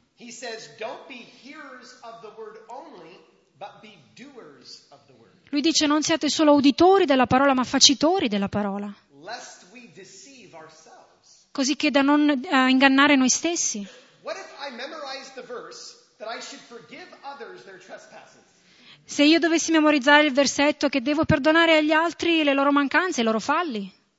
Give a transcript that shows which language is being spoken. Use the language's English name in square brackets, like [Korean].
[English] he says, don't be hearers of the word only, but be doers of the word. [Italian] Lui dice, non siate solo uditori della parola, ma facitori della parola. [English] Lest we deceive ourselves. [Italian] Così che da non ingannare noi stessi. [English] What if I memorize the verse that I should forgive others their trespasses? [Italian] Se io dovessi memorizzare il versetto che devo perdonare agli altri le loro mancanze, i loro falli.